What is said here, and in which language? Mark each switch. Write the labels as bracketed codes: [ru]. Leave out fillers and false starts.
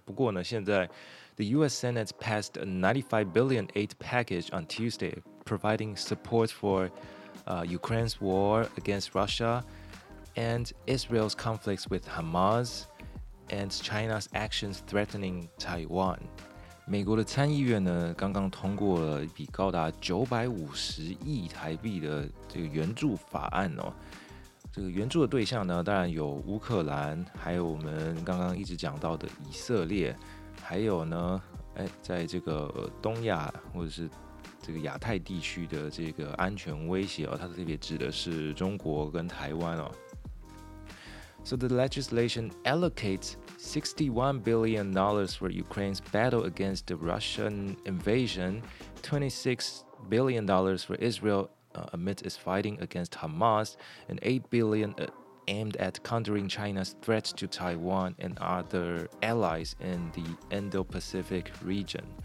[zh] 不过呢，现在 [en] the US Senate passed a $95 billion aid package on Tuesday, providing support for、Ukraine's war against Russia and Israel's conflicts with Hamas and China's actions threatening Taiwan. [zh] 美国的参议院呢，刚刚通过了一笔高达950亿台币的这个援助法案哦。这个援助的对象呢，当然有乌克兰，还有我们刚刚一直讲到的以色列，还有呢，在这个东亚或者是这个亚太地区的这个安全威胁哦，它特别指的是中国跟台湾哦。 [en] So the legislation allocates $61 billion for Ukraine's battle against the Russian invasion, $26 billion for Israel, amid its fighting against Hamas, and $8 billion, aimed at countering China's threats to Taiwan and other allies in the Indo-Pacific region.